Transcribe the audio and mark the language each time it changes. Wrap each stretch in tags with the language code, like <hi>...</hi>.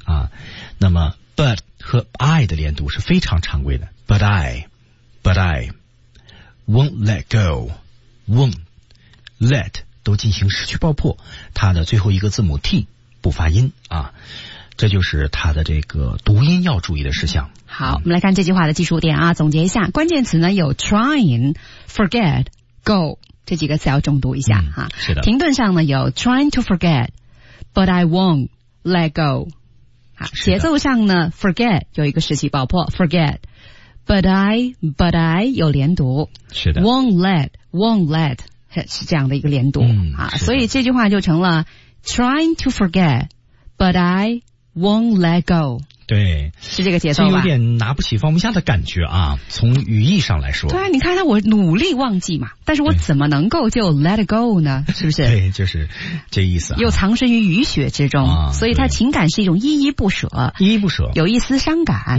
<zh>啊，那么 but 和 I 的连读是非常常规的 ，but I，</zh> <en>but I won't let go，</en> <zh>won't let 都进行失去爆破，它的最后一个字母 T 不发音啊。这就是它的这个读音要注意的事项。好，我们来看这句话的基础点啊，总结一下，关键词呢有 trying, forget, go 这几个词要重读一下，是的。停顿上呢有</zh> <en>trying to forget, but I won't let go。</en> <zh>节奏上呢 forget 有一个失去爆破 ，forget, but I 有连读，是的。 Won't let 是这样的一个连读，嗯，啊，所以这句话就成了</zh> <en>trying to forget, but I won't let go，</en> <zh>对，是这个节奏吧？有点拿不起放不下的感觉啊，从语义上来说。对啊，你看他，我努力忘记嘛，但是我怎么能够就</zh> <en>let go</en> <zh>呢？是不是？对，就是这意思、啊。又藏身于雨雪之中、啊、所以他情感是一种依依不舍，依依不舍，有一丝伤感。</zh>